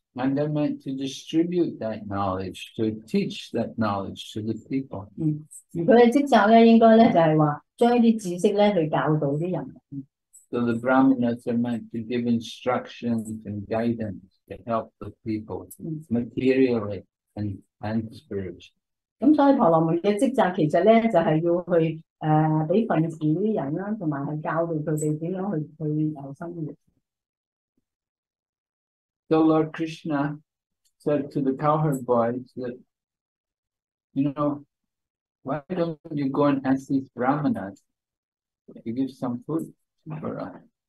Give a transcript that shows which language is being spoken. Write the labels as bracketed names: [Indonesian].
[English] And they're meant to distribute that knowledge, to teach that knowledge to the people. [Cantonese] 佢哋職責咧，應該咧就係話。 [English] So the brahmanas are meant to give instructions and guidance to help the people materially and spiritually. So Lord Krishna said to the cowherd boys that, you know, why don't you go and ask these brahmanas to give some food for us?